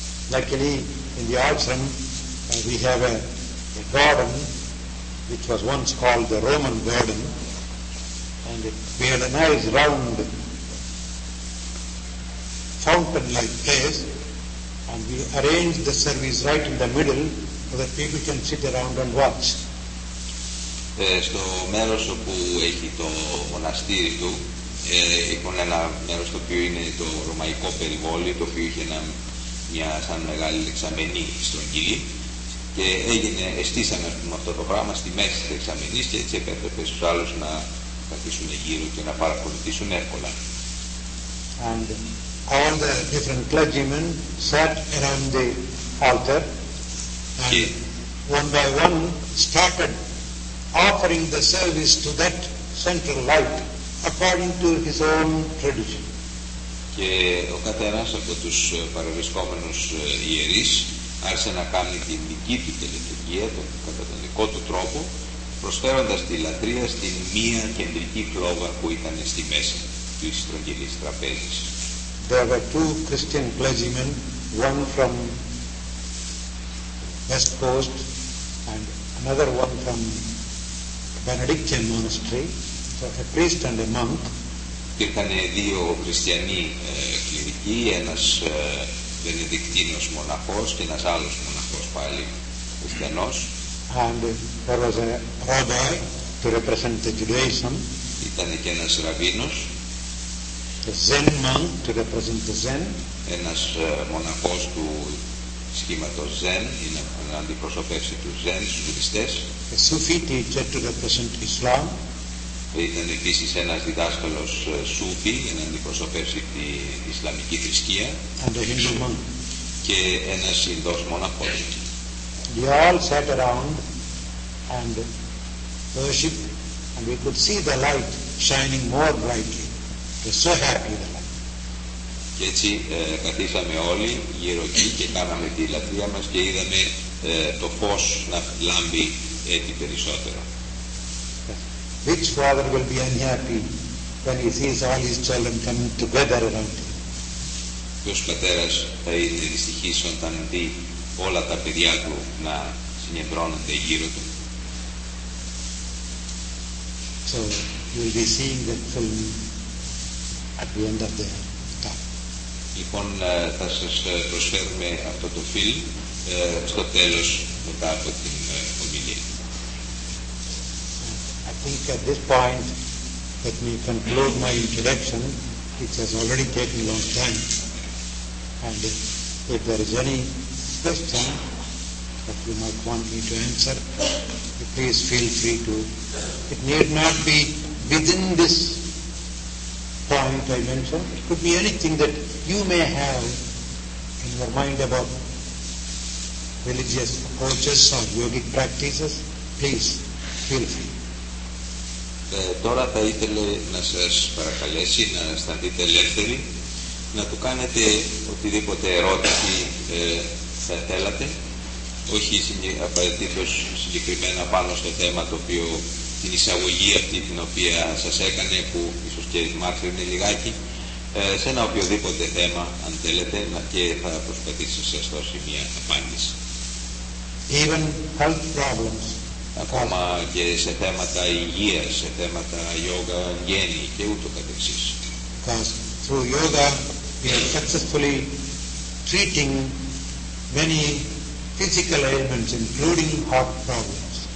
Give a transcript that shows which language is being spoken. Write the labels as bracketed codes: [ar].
[en] Luckily, in the ashram, we have a garden which was once called the Roman garden, and we had a nice round fountain-like place, and we arranged the service right in the middle so that people can sit around and watch. [el] Στο μέρος όπου έχει το μοναστήρι του, είχαν ένα μέρος το οποίο είναι το ρωμαϊκό περιβόλι, το οποίο είχε μια σαν μεγάλη δεξαμενή στρογγυλή, και εστίσανε αυτό το πράγμα στη μέση της δεξαμενής, και έτσι επέτρεπε στους άλλους να καθίσουν γύρω και να παρακολουθήσουν εύκολα. [en] And all the different clergymen sat around the altar and one by one started offering the service to that central light according to his own tradition. [el] Και ο καθένας από τους παρευρισκόμενους ιερείς άρχισε να κάνει την δική του τελετουργία κατά τον δικό του τρόπο, προσφέροντας τη λατρεία στην μία κεντρική πλώβα που ήταν στη μέση της στρογγυλής τραπέζης. [en] There were two Christian clergymen, one from West Coast and another one from Benedictine monastery, so a priest and a monk. [el] Ήταν δύο χριστιανοί κληρικοί, ένας Βενεδικτίνος μοναχός και ένας άλλος μοναχός πάλι χριστιανός. [en] And there was a rabbi to represent the Judaism. [el] Ήταν και ένας ραβίνος. [en] A Zen monk to represent the Zen. [el] Ένας μοναχός του σχήματος Zen, είναι να αντιπροσωπεύσει τους Zen, τους Βουδιστές. [en] A Sufi teacher to represent Islam. [el] Ήταν επίσης ένας διδάσκαλος Σούφι για να αντιπροσωπεύσει την Ισλαμική θρησκεία. [en] And a Hindu monk. [el] Και ένας Ινδός μοναχός. [en] They all sat around and worship, and we could see the light shining more brightly. It was so happy, the light. [el] Και έτσι καθίσαμε όλοι γύρω εκεί και κάναμε τη λατρεία μας και είδαμε το φως να λάμπει έτσι περισσότερο. [en] Which father will be unhappy when he sees all his children coming together around him? [el] Ποιος πατέρας θα είναι δυστυχής όταν δει όλα τα παιδιά του να συνεδρώνονται γύρω του? [en] So you will be seeing that film at the end of the talk. [el] Λοιπόν, θα σας προσφέρουμε αυτό το film στο τέλος μετά από την ομιλία. [en] I think at this point let me conclude my introduction, which has already taken a long time. And if there is any question that you might want me to answer, please feel free to. It need not be within this point I mentioned. It could be anything that you may have in your mind about religious approaches or yogic practices. Please feel free. [el] Τώρα θα ήθελε να σας παρακαλέσει να αισθανθείτε ελεύθεροι να του κάνετε οτιδήποτε ερώτηση θα θέλατε, όχι απαραίτητος συγκεκριμένα πάνω στο θέμα το οποίο, την εισαγωγή αυτή την οποία σας έκανε, που ίσως και μάθαινε λιγάκι, σε ένα οποιοδήποτε θέμα αν θέλετε, και θα προσπαθήσει σας δώσει μια απάντηση. [en] Even health problems. [el] Ακόμα και σε θέματα υγείας, σε θέματα yoga, γέννη και ούτω καθεξής. [en] Because through yoga we are successfully treating many physical ailments, including heart problems.